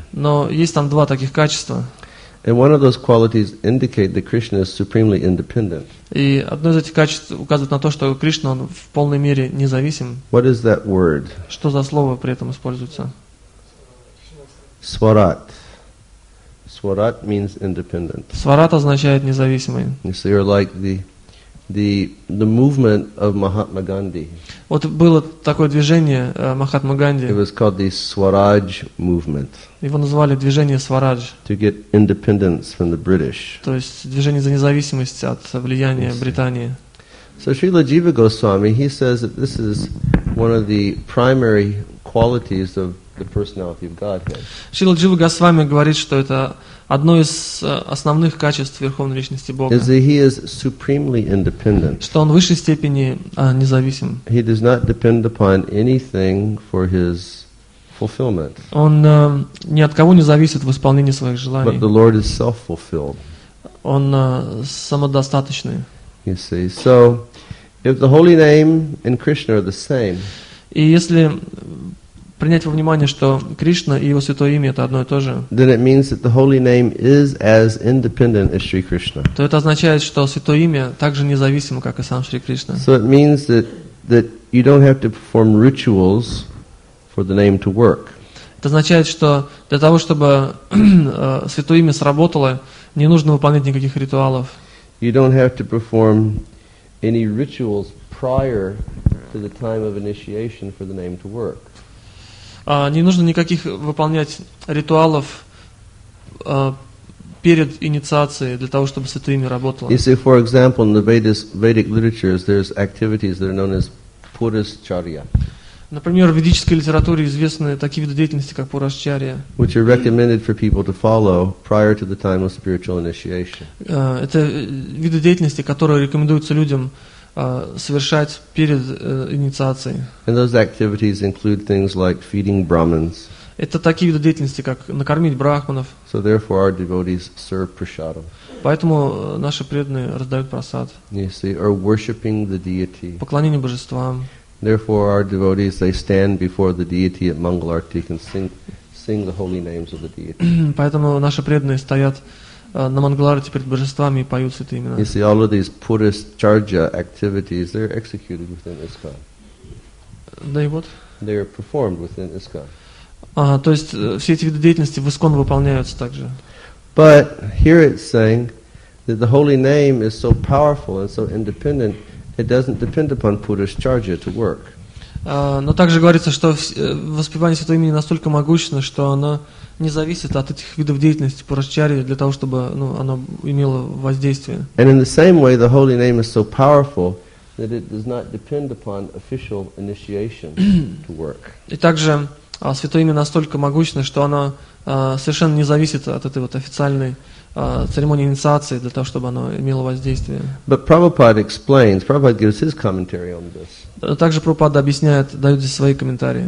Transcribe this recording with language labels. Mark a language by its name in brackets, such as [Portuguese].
[Russian] Но есть там два таких качества. [English] And one of those qualities indicate that Krishna is supremely independent. [Russian] И одно из этих качеств указывает на то, что Кришна он в полной мере независим. [English] What is that word? [Russian] Что за слово при этом используется? [English] Сварат. Сварат means independent. [Russian] Сварат означает независимый. [English] So you're like the movement of Mahatma Gandhi. [Russian] Вот было такое движение Махатма Ганди. [English] It was called the Swaraj movement. [Russian] Его называли движение Сварадж. [English] To get independence from the British. [Russian] То есть движение за независимость от влияния Британии. [English] So Srila Jiva Goswami, he says that this is one of the primary qualities of the personality of Godhead. [Russian] Шрила Джива Госвами говорит, что это одно из основных качеств Верховной Личности Бога. [English] Is that he is supremely independent. [Russian] Что он в высшей степени независим. [English] He does not depend upon anything for his fulfillment. [Russian] Он ни от кого не зависит в исполнении своих желаний. [English] But the Lord is self-fulfilled. [Russian] Он самодостаточный. [English] You see, so if the holy name and Krishna are the same. [Russian] И если принять во внимание, что Кришна и его святое имя это одно и то же. [English] Then it means that the holy name is as independent as Sri Krishna. [Russian] То это означает, что святое имя также независимо, как и сам Шри Кришна. [English] So it means that you don't have to perform rituals for the name to work. [Russian] Это означает, что для того, чтобы святое имя сработало, не нужно выполнять никаких ритуалов. [English] You don't have to perform any rituals prior to the time of initiation for the name to work. [Russian] Не нужно никаких выполнять ритуалов перед инициацией для того, чтобы святое имя работало. [English] You see, for example, in the Vedic literatures, there's activities that are known as Purushcharya. [Russian] Например, в ведической литературе известны такие виды деятельности, как Пурашчария. [English] Which are recommended for people to follow prior to the time of spiritual initiation. [Russian] Это виды деятельности, которые рекомендуются людям совершать перед инициацией. [English] And those activities include things like feeding brahmins. [Russian] Это такие виды деятельности, как накормить брахманов. [English] So therefore our devotees serve prasadam. [Russian] Поэтому наши преданные раздают прасад. [English] You see, or worshiping the deity. [Russian] Поклонение божествам. [English] Therefore our devotees, they stand before the deity at Mangal Arati and sing the holy names of the deity. [Russian] Поэтому наши преданные стоят на Мангаларте перед божествами и поют святые имена. [English] You see, all of these Purushcharya activities, they're executed within ISKCON. [Russian] Да и вот. [English] They're performed within ISKCON. [Russian] То есть все эти виды деятельности в ISKCON выполняются также. [English] But here it's saying that the holy name is so powerful and so independent, it doesn't depend upon Purushcharya to work. [Russian] Но также говорится, что воспевание святого имени настолько могущественно, что оно не зависит от этих видов деятельности Пурашчарьи для того, чтобы ну, оно имело воздействие. [English] And in the same way, the holy name is so powerful that it does not depend upon official initiation to work. [Russian] И также святое имя настолько могущественно, что оно совершенно не зависит от этой вот официальной церемонии инициации для того, чтобы оно имело воздействие. [English] But Prabhupada explains. Prabhupada gives his commentary on this. [Russian] Также Прабхупада объясняет, дает здесь свои комментарии.